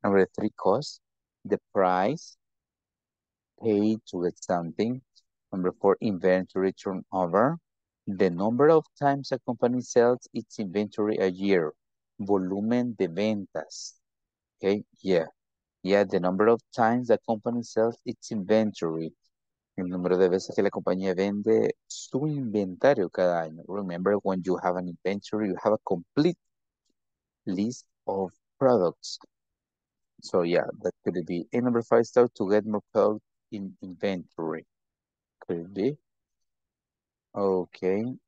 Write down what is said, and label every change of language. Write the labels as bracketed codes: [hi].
[en] Number 3, cost, the price paid to get something. Number 4, inventory turnover. The number of times a company sells its inventory a year. [es] Volumen de ventas. Okay, yeah. [en] Yeah, the number of times a company sells its inventory. [es] El número de veces que la compañía vende su inventario cada año. [en] Remember, when you have an inventory, you have a complete list of products. So, yeah, that could be. And number 5, stock to get more product in inventory. Could it be? Okay.